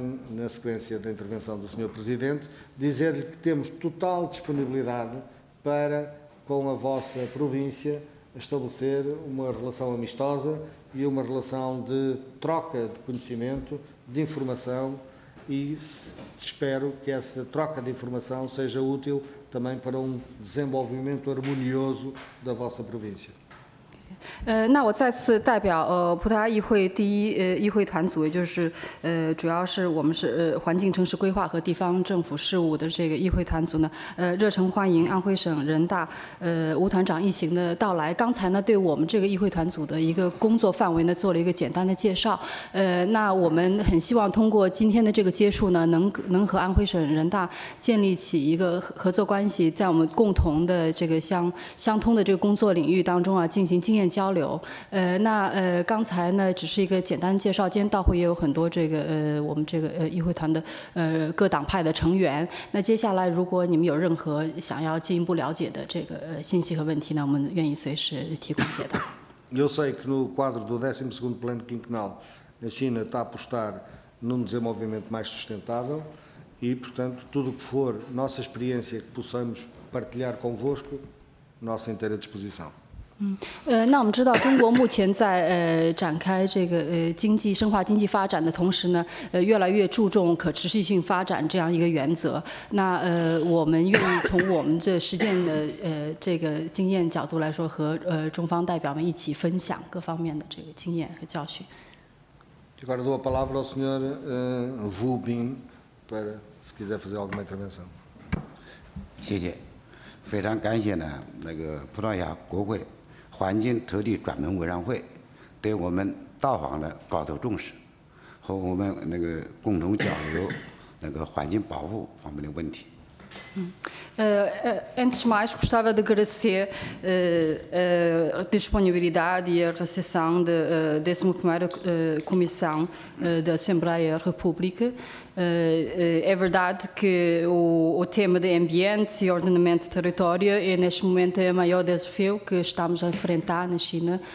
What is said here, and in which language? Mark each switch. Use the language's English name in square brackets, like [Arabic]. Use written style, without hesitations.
[Portuguese] na sequência da intervenção do senhor Presidente, dizer-lhe que temos total disponibilidade para, com a vossa província, estabelecer uma relação amistosa e uma relação de troca de conhecimento, de informação, e espero que essa troca de informação seja útil também para um desenvolvimento harmonioso da vossa província. [Chinese] 那我再次代表葡萄牙议会第一议会团组，也就是主要是我们是环境城市规划和地方政府事务的这个议会团组呢，热诚欢迎安徽省人大吴团长一行的到来。刚才呢，对我们这个议会团组的一个工作范围呢，做了一个简单的介绍。那我们很希望通过今天的这个接触呢，能和安徽省人大建立起一个合作关系，在我们共同的这个相通的这个工作领域当中啊，进行经验交流，刚才呢只是一个简单介绍，今天到会也有很多这个我们这个议会团的各党派的成员。那接下来如果你们有任何想要进一步了解的这个信息和问题呢，我们愿意随时提供解答。 [Portuguese] Eu sei que no quadro do 12º Plano Quinquenal, a China está a apostar num desenvolvimento mais sustentável e, portanto, tudo o que for nossa experiência que possamos partilhar convosco, nossa inteira disposição. [Chinese] 那我们知道中国目前在展开这个经济深化经济发展的同时呢，越来越注重可持续性发展这样一个原则。那我们愿意从我们这实践的这个经验角度来说，和中方代表们一起分享各方面的这个经验和教训。 [Portuguese] Agora dou a palavra ao senhor Wu Bin para se quiser fazer alguma intervenção. [Chinese] 谢谢，非常感谢呢那个葡萄牙国会。环境土地专门委员会对我们到访的高度重视，和我们那个共同交流那个环境保护方面的问题。 [Portuguese] Antes de mais, gostava de agradecer a disponibilidade e a recepção da 11ª Comissão da Assembleia República. É verdade que o tema de ambiente e ordenamento de território é, neste momento, o maior desafio que estamos a enfrentar na China.